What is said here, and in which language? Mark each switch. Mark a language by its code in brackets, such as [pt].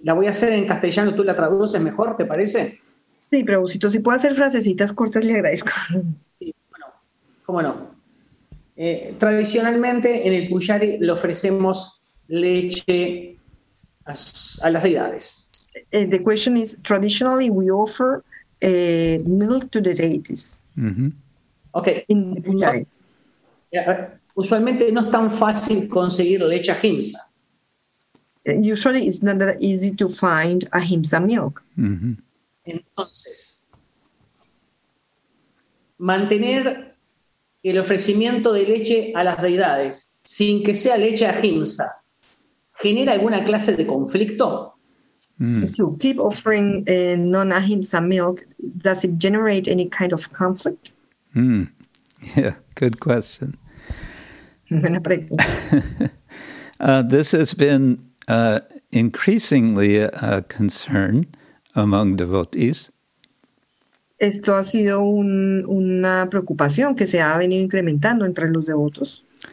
[es] La voy a hacer en castellano, ¿tú la traduces mejor, te parece? Sí, Prabhusito, si puedo hacer frasecitas cortas, le agradezco. Sí, bueno, cómo no. Tradicionalmente en el Puyari le ofrecemos leche a las deidades. [en] The question is, traditionally we offer milk to the deities. Mm-hmm. Okay. In the Puyari. [es] Usualmente no es tan fácil conseguir leche ahimsa. [en] Usually it's not that easy to find ahimsa milk. Mm-hmm. [es] Entonces, mantener el ofrecimiento de leche a las deidades, sin que sea leche ahimsa, ¿genera alguna clase de conflicto? [en] If you keep offering non-ahimsa milk, does it generate any kind of conflict? Mm. Yeah, good question. [es] Buena pregunta. [en] This has been increasingly a concern among devotees. [es] Esto ha sido una preocupación que se ha venido incrementando entre los devotos.